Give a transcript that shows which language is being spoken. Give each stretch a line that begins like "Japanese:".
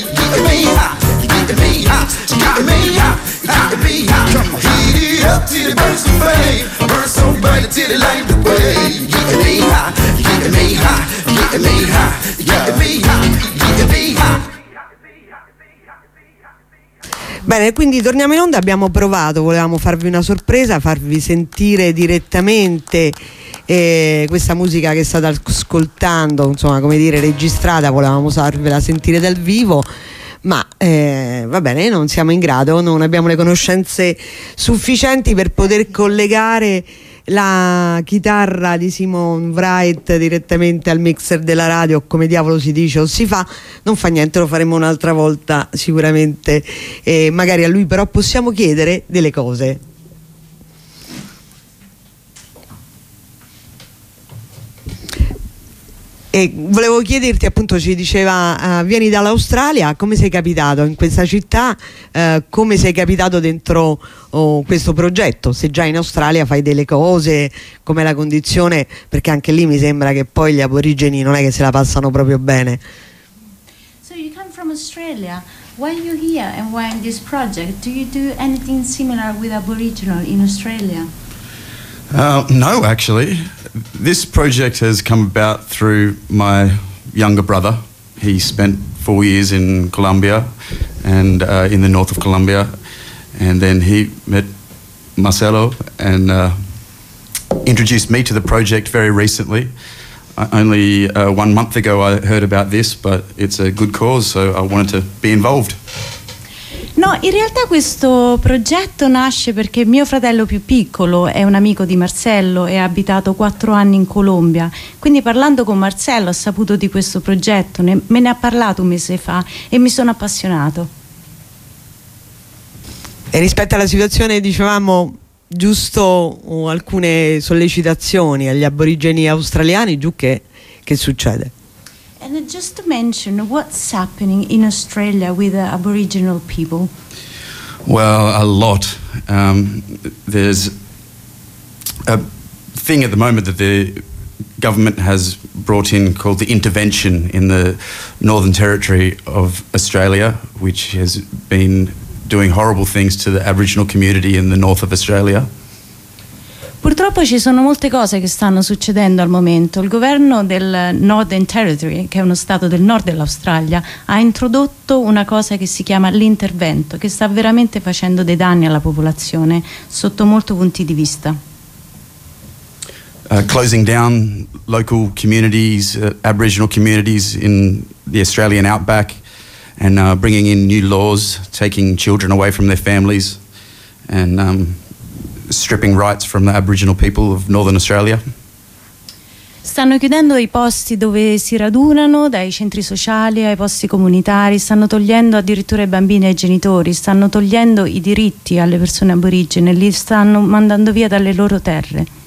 English: You getting me, ha, you getting me, ha, you getting me, ha, you getting me, ha. Heat it up till it burns the flame. I burn so bright till it light the way. You getting me, ha, you getting me, ha, you getting me, ha, you getting me, ha, you getting me, ha.
Italian: Bene, quindi torniamo in onda. Abbiamo provato, volevamo farvi una sorpresa, farvi sentire direttamente questa musica che state ascoltando, insomma, come dire, registrata. Volevamo farvela sentire dal vivo, ma va bene, non siamo in grado, non abbiamo le conoscenze sufficienti per poter collegare la chitarra di Simone Wright direttamente al mixer della radio, come diavolo si dice o si fa. Non fa niente, lo faremo un'altra volta sicuramente, magari a lui però possiamo chiedere delle cose. E volevo chiederti, appunto, ci diceva, vieni dall'Australia, come sei capitato in questa città, come sei capitato dentro questo progetto, se già in Australia fai delle cose, com'è la condizione, perché anche lì mi sembra che poi gli aborigeni non è che se la passano proprio bene.
English: So you come from Australia, why are you here and why in this project? Do you do anything similar with Aboriginal in Australia? No, actually. This project has come about through my younger brother. He spent 4 years in Colombia and in the north of Colombia, and then he met Marcelo and introduced me to the project very recently. Only 1 month ago I heard about this, but it's a good cause, so I wanted to be involved.
Italian: No, in realtà questo progetto nasce perché mio fratello più piccolo è un amico di Marcello e ha abitato 4 anni in Colombia. Quindi parlando con Marcello ho saputo di questo progetto, me ne ha parlato un mese fa e mi sono appassionato. E rispetto alla situazione, dicevamo, giusto alcune sollecitazioni agli aborigeni australiani, giù che succede?
English: And just to mention, what's happening in Australia with the Aboriginal people? Well, a lot. There's a thing at the moment that the government has brought in called the intervention in the Northern Territory of Australia, which has been doing horrible things to the Aboriginal community in the north of Australia.
Italian: Purtroppo ci sono molte cose che stanno succedendo al momento. Il governo del Northern Territory, che è uno stato del nord dell'Australia, ha introdotto una cosa che si chiama l'intervento, che sta veramente facendo dei danni alla popolazione sotto molti punti di vista.
English: Closing down local communities, Aboriginal communities in the Australian outback, and bringing in new laws, taking children away from their families, and stripping rights from the Aboriginal people of Northern Australia.
Italian: Stanno chiudendo i posti dove si radunano, dai centri sociali ai posti comunitari, stanno togliendo addirittura i bambini ai genitori, stanno togliendo i diritti alle persone aborigene, li stanno mandando via dalle loro terre.